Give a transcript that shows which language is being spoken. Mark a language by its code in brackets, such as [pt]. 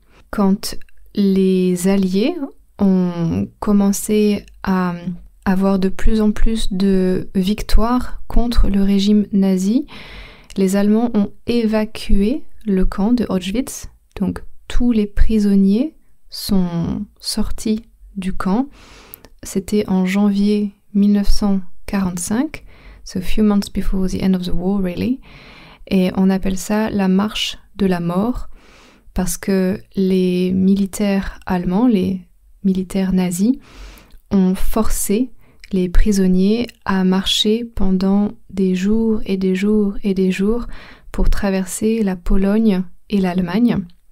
[fr] Quand les Alliés ont commencé à avoir de plus en plus de victoires contre le régime nazi, les Allemands ont évacué le camp de Auschwitz, donc tous les prisonniers sont sortis du camp. C'était en janvier 1945, [en] so a few months before the end of the war, really. [fr] Et on appelle ça la marche de la mort, parce que les militaires allemands, les militaires nazis, ont forcé les prisonniers à marcher pendant des jours et des jours et des jours pour traverser la Pologne et l'Allemagne.